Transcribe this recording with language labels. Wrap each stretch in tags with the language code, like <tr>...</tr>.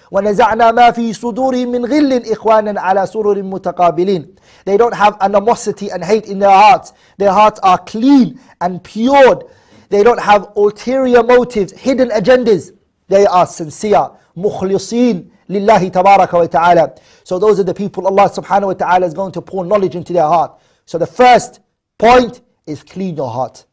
<ar>وَنَزَعْنَا مَا فِي صُدُورِهِمْ مِنْ غِلٍّ إِخْوَانًا عَلَى سُرُرٍ مُتَقَابِلِينَ.</ar> <en>They don't have animosity and hate in their hearts. Their hearts are clean and pure. They don't have ulterior motives, hidden agendas. They are sincere,</en> <ar>مُخْلِصِينَ لِلَّهِ تَبَارَكَ وَتَعَالَى.</ar> <en>So those are the people Allah subhanahu wa ta'ala is going to pour knowledge into their heart. So the first point is clean your heart.</en>